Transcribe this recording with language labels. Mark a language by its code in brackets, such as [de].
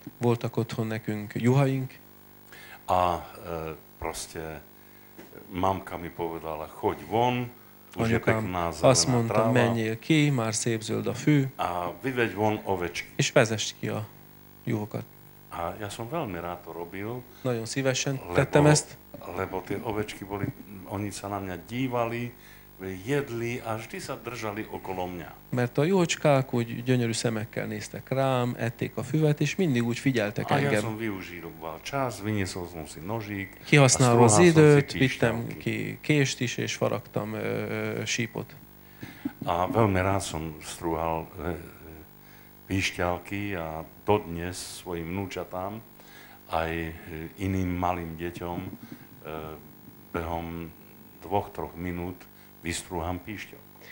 [hu] Voltak otthon nekünk juhaink. [sk] A proste mamka mi povedala, choď von, už je pekná zelená tráva. [hu] Azt mondta, menjél ki, már szép zöld a fű. [sk] A vyveď von ovečky. [hu] És vezess ki a juhokat. [sk] A ja som veľmi rád to robil. [hu] Nagyon szívesen tettem ezt. [sk] Lebo tie ovečky boli, oni sa na mňa dívali, jedli a vždy sa držali okolo mňa. [hu] Mert a juhocskák úgy gyönyörű szemekkel néztek rám, ették a füvet, és mindig úgy figyeltek a engem. [sk] A ja som využíval čas, vinyesol som si nožík. [hu] Kihasználva az időt, vittem ki kést is, és faragtam sípot. [sk] A veľmi rád som strúhal píšťalky a dodnes svojim vnúčatám aj iným malým deťom behom 2-3 minút vystrúham píšťalku.